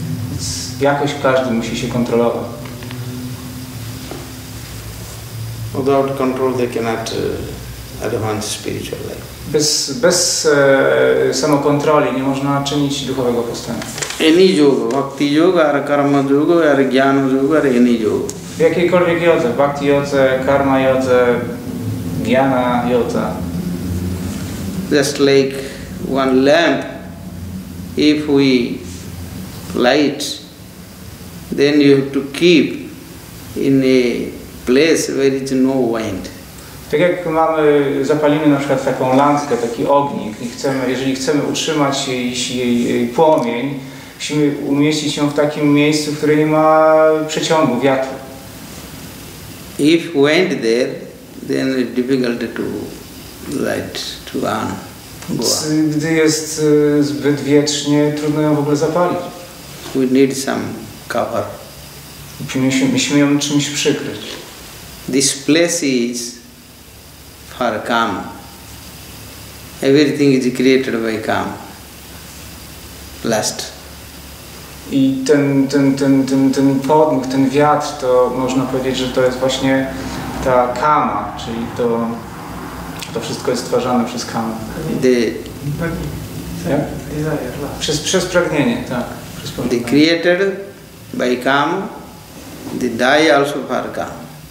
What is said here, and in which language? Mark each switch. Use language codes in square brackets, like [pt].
[pl] Więc jakoś każdy musi się kontrolować. [en] Without control they cannot advance spiritual life. [pl] Bez samokontroli nie można czynić duchowego postępu. [en] Any yoga, bhakti yoga, or karma yoga, or jnana yoga, or any yoga. [pl] W jakiejkolwiek jodze, bhakti jodze, karma jodze, jnana jodze. [en] Just like one lamp, if we light, then you have to keep in a place where it's no wind. [pl] Tak jak mamy, zapalimy na przykład taką lampkę, taki ognik i chcemy, jeżeli chcemy utrzymać jej płomień, musimy umieścić ją w takim miejscu, które nie ma przeciągu, wiatru. [en] If wind there, then it's difficult to light to burn. [pl] Gdy jest zbyt wietrznie, trudno ją w ogóle zapalić. [en] We need some cover. [pl] Musimy ją czymś przykryć. [en] This place is for karma. Everything is created by karma. Lust. [pl] I ten podmuch, ten wiatr, to można powiedzieć, że to jest właśnie ta kama, czyli to wszystko jest stwarzane przez kamę. Przez pragnienie, tak. [en] The created by kama, the die also for kama.